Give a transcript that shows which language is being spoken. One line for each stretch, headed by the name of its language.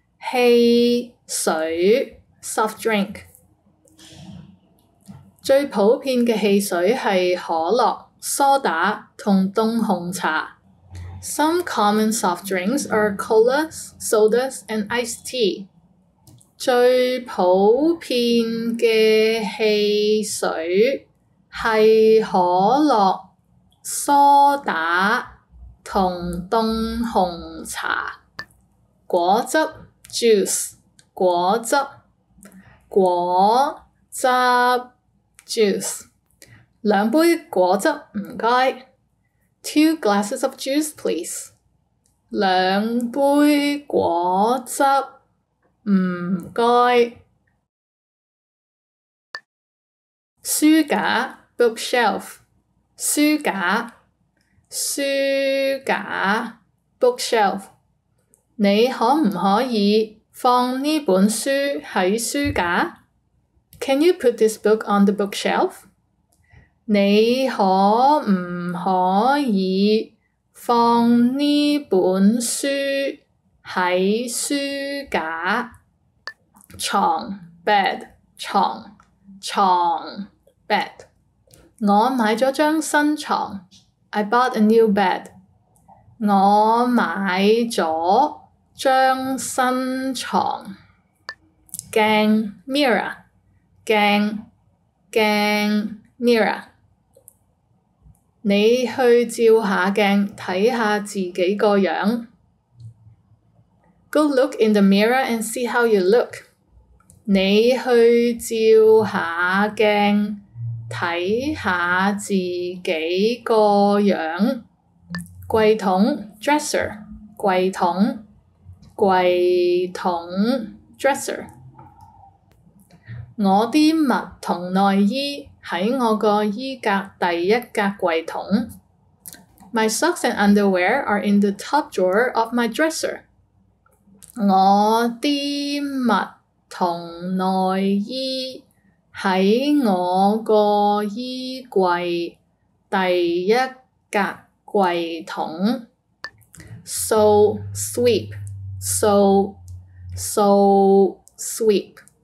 Cantonese: 汽水 soft drink 最普遍的汽水是可乐、苏打和冻红茶。
English: Some common soft drinks are colas, sodas, and iced tea.
Cantonese: 最普遍的汽水是可乐、苏打和冻红茶。果汁juice， 果汁，果汁 juice，两杯果汁，唔该。
English: Two glasses of juice, please。
Cantonese: 两杯果汁，唔该。书架 bookshelf，书架，书架 bookshelf。你可唔可以放呢本书喺书架？
English: Can you put this book on the bookshelf?
Cantonese: 你可唔可以放呢本书喺书架？床 bed， 床床 bed。我买咗张新床。
English: I bought a new bed。
Cantonese: 我买咗张新床。镜 mirror，镜镜 mirror。你去照下镜睇下自己个样。
English: Go look in the mirror and see how you look。
Cantonese: 你去照下镜睇下自己个样。柜桶 dresser，柜桶。柜桶 dresser，我的襪同內衣在我的衣格第一格櫃桶。
English: My socks and underwear are in the top drawer of my dresser.
Cantonese: 我的襪同內衣在我的衣櫃第一格櫃桶。
English: So sweep, so, so sweep.